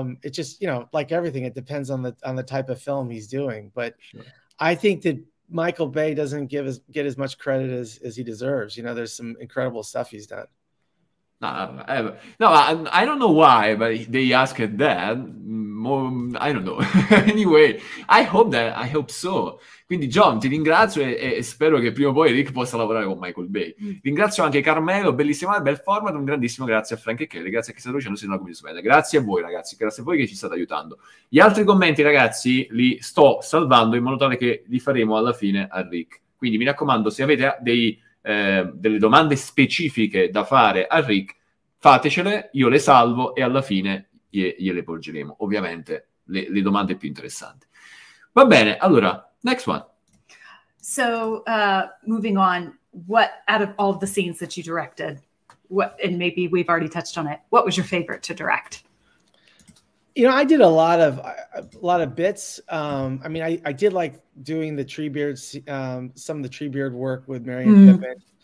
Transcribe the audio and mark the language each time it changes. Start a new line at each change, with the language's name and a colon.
English: It just, you know, like everything, it depends on the type of film he's doing. But sure. I think that Michael Bay doesn't get as much credit as he deserves. You know, there's some incredible stuff he's done. I don't know why, but they asked that. I don't know. Anyway, I hope so.
Italian: Quindi John, ti ringrazio e spero che prima o poi Rick possa lavorare con Michael Bay. Ringrazio anche Carmelo, bellissimo, bel format, un grandissimo grazie a Frank e Kelly, grazie a chi sta lucendo, se non la comincio bene. Grazie a voi ragazzi, grazie a voi che ci state aiutando. Gli altri commenti ragazzi li sto salvando in modo tale che li faremo alla fine a Rick. Quindi mi raccomando, se avete delle domande specifiche da fare a Rick, fatecele, io le salvo e alla fine gliele porgeremo, ovviamente le domande più interessanti. Va bene, allora,
English: next one. So, moving on, what out of all the scenes that you directed, what, and maybe we've already touched on it, what was your favorite to direct? You know, I did a lot of bits. I mean, I did like doing the tree beard, some of the tree beard work with Marion Pippin.